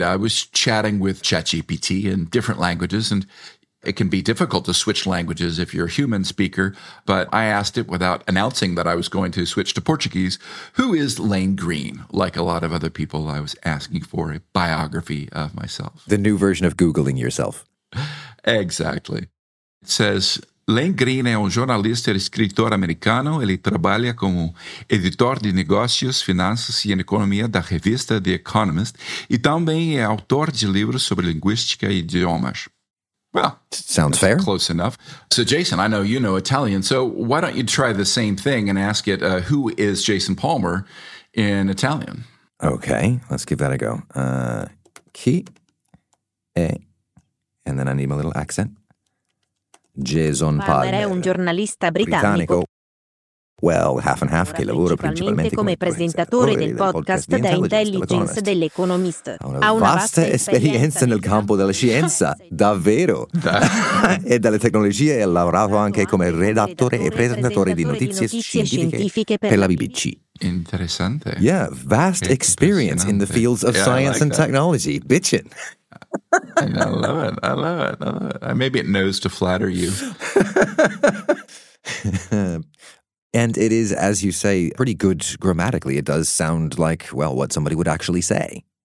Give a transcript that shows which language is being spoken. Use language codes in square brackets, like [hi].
[en] I was chatting with ChatGPT in different languages, and it can be difficult to switch languages if you're a human speaker, but I asked it without announcing that I was going to switch to Portuguese, who is Lane Green? Like a lot of other people, I was asking for a biography of myself. The new version of Googling yourself. Exactly. It says, [pt] Lane Green é jornalista e escritor americano. Ele trabalha como editor de negócios, finanças e economia da revista The Economist e também é autor de livros sobre linguística e idiomas. [en] Well, sounds fair. Close enough. So, Jason, I know you know Italian, so why don't you try the same thing and ask it, who is Jason Palmer in Italian? Okay, let's give that a go. Chi è, and then I need my little accent. Jason Palmer. [it] Palmer è un giornalista britannico. [en] Well, half and half, [it] che lavora principalmente come presentatore del podcast The Intelligence dell'Economist. Ha una vasta esperienza nel campo della scienza, davvero, e dalle tecnologie ha lavorato anche come redattore e presentatore di notizie scientifiche per la BBC. Interessante. [en] Yeah, vast experience in the fields of science and technology. Bitchin'. I love it. Maybe it knows to flatter you. And it is, as you say, pretty good grammatically. It does sound like, well, what somebody would actually say.